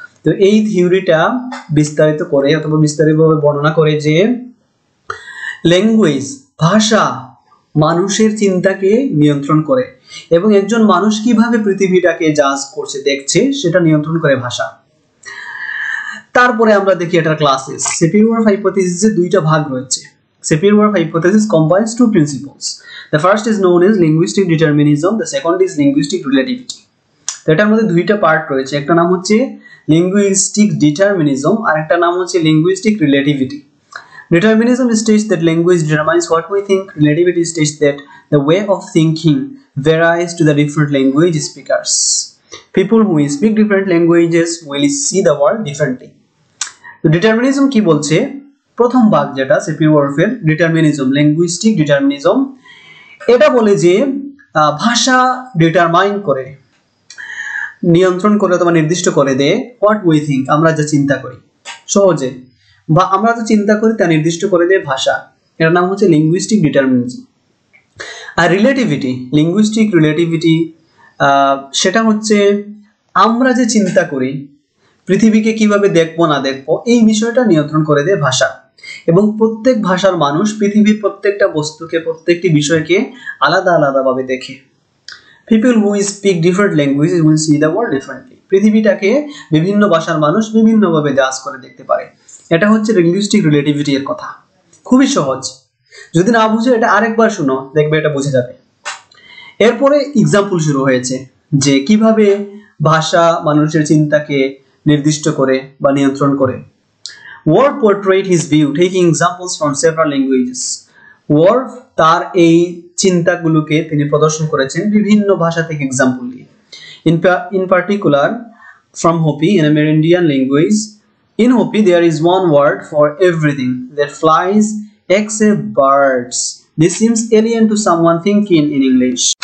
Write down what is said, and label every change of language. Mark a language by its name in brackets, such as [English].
[Bangla] তো এই থিওরিটা বিস্তারিত করে অথবা বিস্তারিতভাবে বর্ণনা করে যে ল্যাঙ্গুয়েজ, ভাষা মানুষের চিন্তাকে নিয়ন্ত্রণ করে, এবং একজন মানুষ কিভাবে পৃথিবীটাকে জাজ করছে, দেখছে, সেটা নিয়ন্ত্রণ করে ভাষা। তারপরে আমরা দেখি এটার ক্লাসেস। সেপির ওয়ার্ফ হাইপোথিসিসে দুইটা ভাগ রয়েছে, [English] Sapir-Whorf hypothesis combines two principles. The first is known as linguistic determinism, the second is linguistic relativity. [Bangla] তো এটার মধ্যে দুইটা পার্ট রয়েছে, একটা নাম হচ্ছে লিঙ্গুইস্টিক ডিটারমিনিজম আর একটা নাম হচ্ছে linguistic relativity. [English] Determinism states that language determines what we think, relativity states that the way of thinking varies to the different language speakers. People who speak different languages will see the world differently. [Bangla] তো determinism কি বলছে, প্রথম ভাগ যেটা সেপির-ওয়ার্ফের determinism, linguistic determinism, এটা বলে যে ভাষা ডিটারমাইন করে, নিয়ন্ত্রণ করে অথবা নির্দিষ্ট করে দেয় [English] what we think, [Bangla] আমরা যা চিন্তা করি সহজে, বা আমরা যা চিন্তা করি তা নির্দিষ্ট করে দেয় ভাষা, এর নাম হচ্ছে লিঙ্গুইস্টিক ডিটারমিনিজম। আর রিলেটিভিটি, লিঙ্গুইস্টিক রিলেটিভিটি, সেটা হচ্ছে আমরা যে চিন্তা করি পৃথিবীকে কিভাবে দেখবো না দেখবো এই বিষয়টা নিয়ন্ত্রণ করে দেয় ভাষা। এবং প্রত্যেক ভাষার মানুষ পৃথিবীর প্রত্যেকটা বস্তুকে, প্রত্যেকটি বিষয়কে আলাদা আলাদাভাবে দেখে। [English] People who speak different languages will see the world differently. [Bangla] পৃথিবীটাকে বিভিন্ন ভাষার মানুষ বিভিন্নভাবে দাস করে দেখতে পারে। এটা হচ্ছে linguistic relativity এর কথা, খুবই সহজ। যদি না বুঝে এটা আরেকবার শুনো, দেখবে এটা বুঝে যাবে। এরপরে এক্সাম্পল শুরু হয়েছে যে কিভাবে ভাষা মানুষের চিন্তাকে নির্দিষ্ট করে বা নিয়ন্ত্রণ করে। [English] Whorf portrayed his view taking examples from several languages. [Bangla] Whorf তার এই চিন্তাগুলোকে তিনি প্রদর্শন করেছেন বিভিন্ন ভাষা থেকে এক্সাম্পল দিয়ে, [English] In particular from Hopi in Amerindian language. In Hopi there is one word for everything that flies except birds, this seems alien to someone thinking in English.